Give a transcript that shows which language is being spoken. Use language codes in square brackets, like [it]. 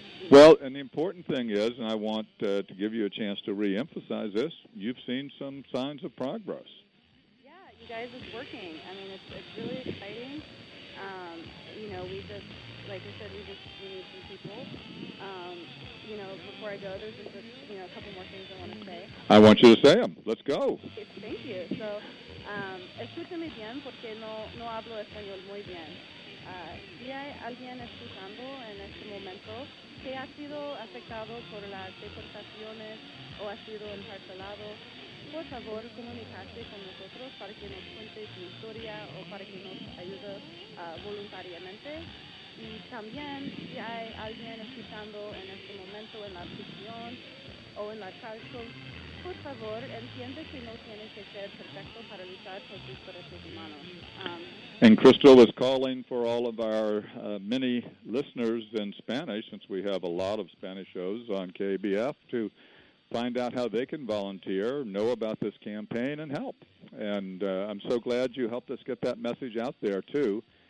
[en] Well, and the important thing is, and I want to give you a chance to reemphasize this, you've seen some signs of progress. Yeah, you guys, it's working. I mean, it's really exciting. You know, we just, like I said, we need some people. You know, before I go, there's just you know, a couple more things I want to say. I want you to say them. Let's go. Thank you. [es] So, escúchame bien porque no hablo español muy bien. Si hay alguien escuchando en este momento que ha sido afectado por las deportaciones o ha sido encarcelado, por favor, comunicarse con nosotros para que nos cuente su historia o para que nos ayude voluntariamente. Y también, si hay alguien escuchando en este momento en la prisión o en la cárcel, por favor, entiende que no tiene que ser perfecto para luchar por sus derechos humanos. [en] And Crystal is calling for all of our many listeners in Spanish, since we have a lot of Spanish shows on KBF, to find out how they can volunteer, know about this campaign, and help. And I'm so glad you helped us get that message out there, too.